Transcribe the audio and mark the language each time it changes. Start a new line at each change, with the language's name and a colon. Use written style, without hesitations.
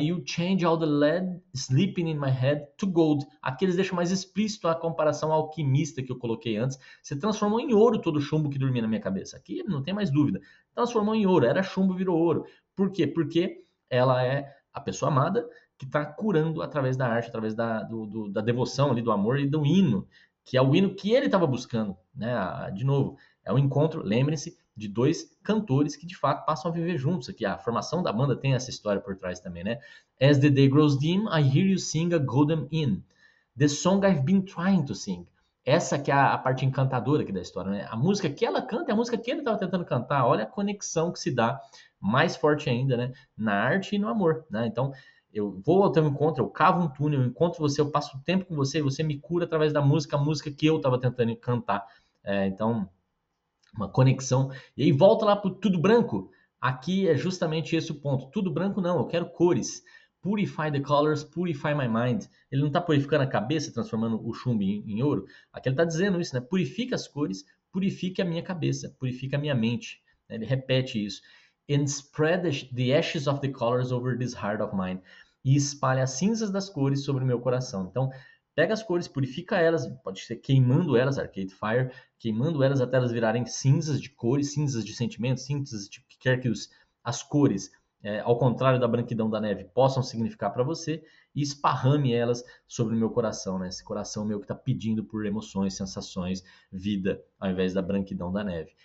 English: You change all the lead sleeping in my head to gold.
Portuguese: Aqui eles deixam mais explícito a comparação alquimista que eu coloquei antes. Você transformou em ouro todo o chumbo que dormia na minha cabeça. Aqui não tem mais dúvida. Transformou em ouro. Era chumbo, virou ouro. Por quê? Porque ela é a pessoa amada que está curando através da arte, através da devoção ali, do amor e do hino, que é o hino que ele estava buscando, né? De novo, é o um encontro, lembre-se, de dois cantores que de fato passam a viver juntos aqui. A formação da banda tem essa história por trás também, né?
English: As the day grows dim, I hear you sing a golden hymn. The Song I've Been Trying to Sing.
Portuguese: Essa que é a parte encantadora aqui da história, né? A música que ela canta é a música que ele estava tentando cantar. Olha a conexão que se dá, mais forte ainda, né? Na arte e no amor, né? Então, eu vou ao teu encontro, eu cavo um túnel, eu encontro você, eu passo tempo com você, você me cura através da música, a música que eu estava tentando cantar. Então, uma conexão. E aí, volta lá pro Tudo Branco. Aqui é justamente esse o ponto. Tudo branco não, eu quero cores.
English: Purify the colors, purify my mind.
Portuguese: Ele não está purificando a cabeça, transformando o chumbo em ouro. Aqui ele está dizendo isso, né? Purifica as cores, purifica a minha cabeça, purifica a minha mente. Ele repete isso.
English: And spread the ashes of the colors over this heart of mine.
Portuguese: E espalha as cinzas das cores sobre o meu coração. Então, pega as cores, purifica elas, pode ser queimando elas, Arcade Fire, queimando elas até elas virarem cinzas de cores, cinzas de sentimentos, cinzas de que quer que as cores, ao contrário da branquidão da neve, possam significar para você, e esparrame elas sobre o meu coração, né? Esse coração meu que está pedindo por emoções, sensações, vida, ao invés da branquidão da neve.